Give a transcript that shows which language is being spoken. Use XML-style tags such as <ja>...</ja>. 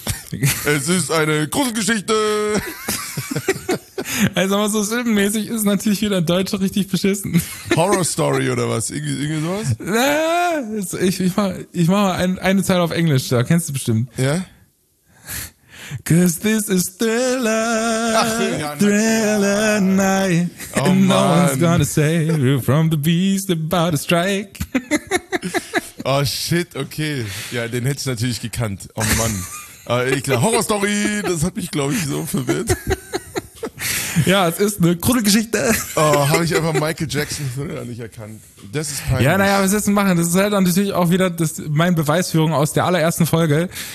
<de>Es ist eine Gruselgeschichte. Also, aber so silbenmäßig ist natürlich wieder Deutsch richtig beschissen. Horror Story oder was? Irgendwie sowas? Ich mach mal eine Zeile auf Englisch, da kennst du bestimmt. Ja? Yeah?</de> <en>Cause this is Thriller, Thriller Night. Oh, and no one's gonna save you from the beast about to strike. Oh shit, okay.</en> <de>Ja, den hätte ich natürlich gekannt. Oh Mann. Ich glaub, Horror Story, das hat mich, glaube ich, so verwirrt. Ja, es ist eine Gruselgeschichte. Oh, habe ich einfach Michael Jackson Thriller nicht erkannt. Das ist peinlich. Ja, naja, was willst du machen? Das ist halt natürlich auch wieder meine Beweisführung aus der allerersten Folge.</de>